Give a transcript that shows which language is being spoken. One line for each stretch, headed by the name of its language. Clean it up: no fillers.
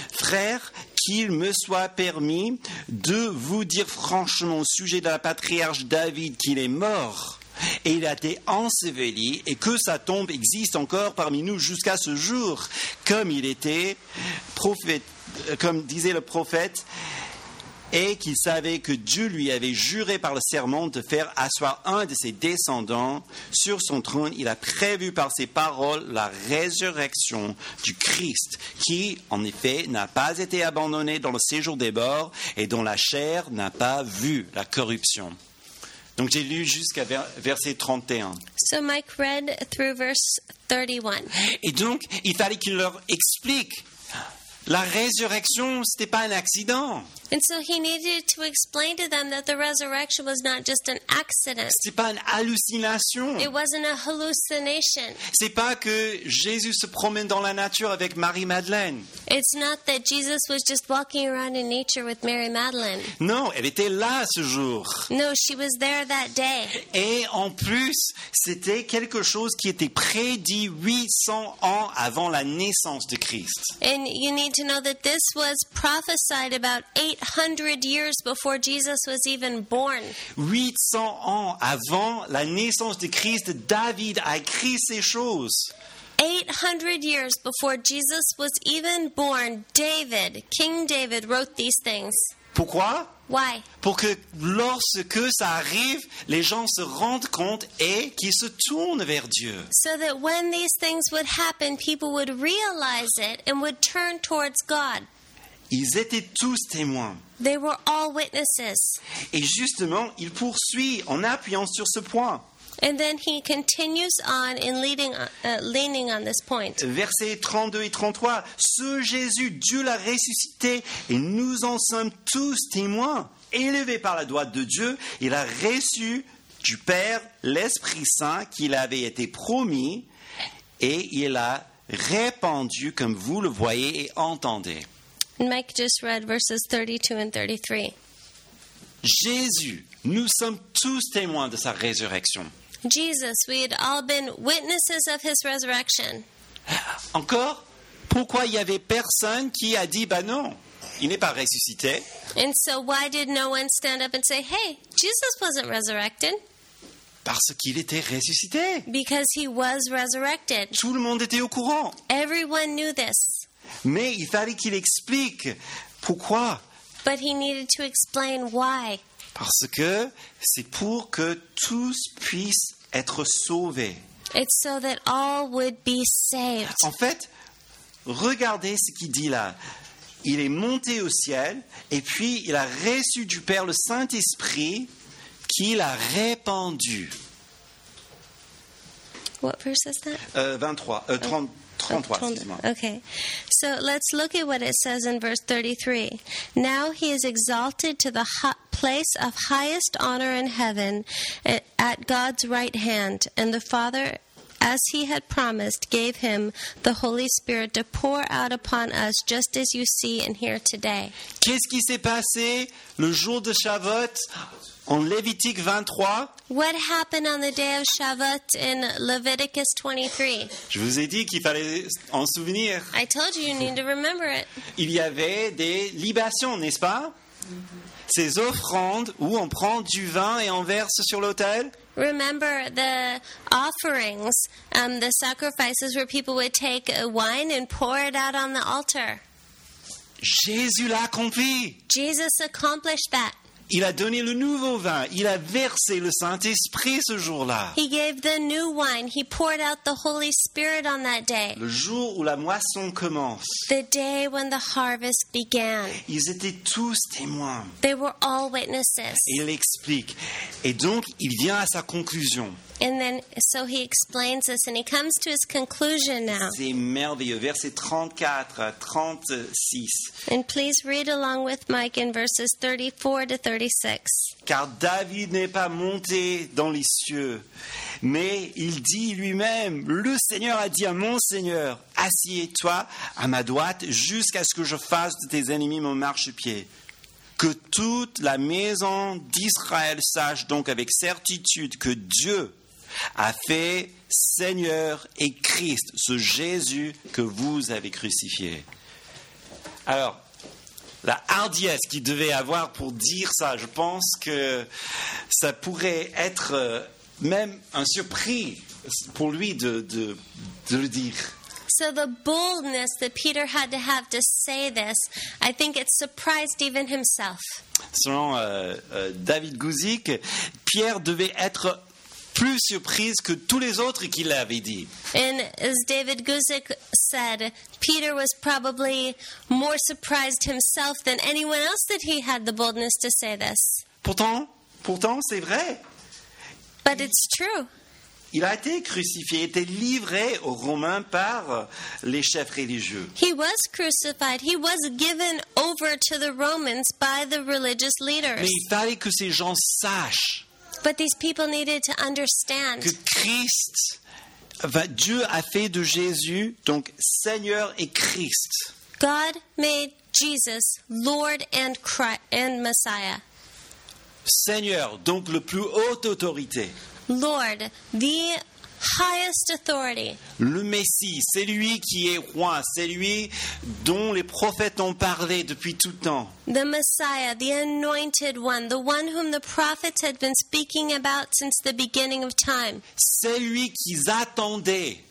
French: Frère, qu'il me soit permis de vous dire franchement au sujet de la patriarche David qu'il est mort et il a été enseveli et que sa tombe existe encore parmi nous jusqu'à ce jour, comme il était prophète, comme disait le prophète, et qu'il savait que Dieu lui avait juré par le serment de faire asseoir un de ses descendants sur son trône. Il a prévu par ses paroles la résurrection du Christ, qui, en effet, n'a pas été abandonné dans le séjour des morts et dont la chair n'a pas vu la corruption. Donc j'ai lu jusqu'à verset 31.
English: So Mike read through verse 31.
French: Et donc, il fallait qu'il leur explique. La résurrection, c'était pas un accident.
English: And so he needed to explain to them that the resurrection was not just an accident.
French: C'est pas une hallucination.
English: It wasn't a hallucination.
French: C'est pas que Jésus se promène dans la nature avec Marie-Madeleine.
English: It's not that Jesus was just walking around in nature with Mary Madeleine.
French: Non, elle était là ce jour.
English: No, she was there that day.
French: Et en plus, c'était quelque chose qui était prédit 800 ans avant la naissance de Christ.
English: And you need to know that this was prophesied about 800 years before Jesus was even born.
French: 800 ans avant la naissance de Christ, David a écrit ces choses.
English: 800 years before Jesus was even born, David, King David, wrote these things.
French: Pourquoi?
English: Why?
French: Pour que lorsque ça arrive, les gens se rendent compte et qu'ils se tournent vers Dieu.
English: So that when these things would happen, people would realize it and would turn towards God.
French: Ils étaient tous témoins.
English: They were all witnesses.
French: Et justement, il poursuit en appuyant sur ce point.
English: And then he continues on in leaning on this point.
French: Versets 32 et 33. Ce Jésus, Dieu l'a ressuscité et nous en sommes tous témoins. Élevé par la droite de Dieu, il a reçu du Père l'Esprit Saint qu'il avait été promis et il a répandu comme vous le voyez et entendez.
English: Mike just read verses 32 and 33.
French: Jésus, nous sommes tous témoins de sa résurrection.
English: Jesus, we had all been witnesses of his resurrection.
French: Encore, pourquoi il y avait personne qui a dit bah non, il n'est pas ressuscité?
English: And so why did no one stand up and say, "Hey, Jesus wasn't resurrected"?
French: Parce qu'il était ressuscité.
English: Because he was resurrected.
French: Tout le monde était au courant.
English: Everyone knew this.
French: Mais il fallait qu'il explique pourquoi.
English: But he needed to explain why.
French: Parce que c'est pour que tous puissent être sauvés.
English: It's so that all would be saved.
French: En fait, regardez ce qu'il dit là. Il est monté au ciel et puis il a reçu du Père le Saint-Esprit qu'il a répandu.
English: What verse is that? 23. 30. Oh. 33, okay, so let's look at what it says in verse 33. Now he is exalted to the place of highest honor in heaven at God's right hand, and the Father, as he had promised, gave him the Holy Spirit to pour out upon us, just as you see and hear today.
French: Qu'est-ce qui s'est passé le jour de Shavuot en Lévitique 23?
English: What happened on the day of Shavuot in Leviticus 23?
French: Je vous ai dit qu'il fallait en souvenir.
English: I told you you need to remember it.
French: Il y avait des libations, n'est-ce pas? Mm-hmm. Ces offrandes où on prend du vin et on verse sur l'autel.
English: Remember the offerings, the sacrifices where people would take wine and pour it out on the altar.
French: Jésus l'a accompli.
English: Jesus accomplished that.
French: Il a donné le nouveau vin. Il a versé le Saint-Esprit ce jour-là.
English: He gave the new wine. He poured out the Holy Spirit on that day.
French: Le jour où la moisson commence.
English: The day when the harvest began.
French: Ils étaient tous témoins.
English: They were all witnesses.
French: Et il explique. Et donc, il vient à sa conclusion.
English: And then, so he explains this, and he comes to his conclusion now.
French: C'est merveilleux. Verset 34, 36.
English: And please read along with Mike in verses 34 to 36.
French: Car David n'est pas monté dans les cieux, mais il dit lui-même, le Seigneur a dit à mon Seigneur, assieds-toi à ma droite jusqu'à ce que je fasse de tes ennemis mon marchepied. Que toute la maison d'Israël sache donc avec certitude que Dieu a fait Seigneur et Christ, ce Jésus que vous avez crucifié. Alors, la hardiesse qu'il devait avoir pour dire ça, je pense que ça pourrait être même un surpris pour lui de le dire.
English: So the boldness that Peter had to have to say this, I think it surprised even himself.
French: Selon David Guzik, Pierre devait être plus surpris que tous les autres qui l'avaient dit.
English: And as David Guzik said, Peter was probably more surprised himself than anyone else that he had the boldness to say this.
French: Pourtant, c'est vrai.
English: But it's true.
French: Il a été crucifié, il a été livré aux Romains par les chefs religieux.
English: He was crucified, he was given over to the Romans by the religious leaders.
French: Mais il fallait que ces gens sachent.
English: But these people needed to understand.
French: Que Christ, Dieu a fait de Jésus, donc Seigneur et Christ.
English: God made Jesus Lord and Christ and Messiah.
French: Seigneur, donc le plus haute autorité.
English: Lord, the highest authority.
French: Le Messie, c'est lui qui est roi, c'est lui dont les prophètes ont parlé depuis tout temps.
English: The Messiah, the anointed one, the one whom the prophets had been speaking about since the beginning of time.
French: C'est lui qu'ils attendaient.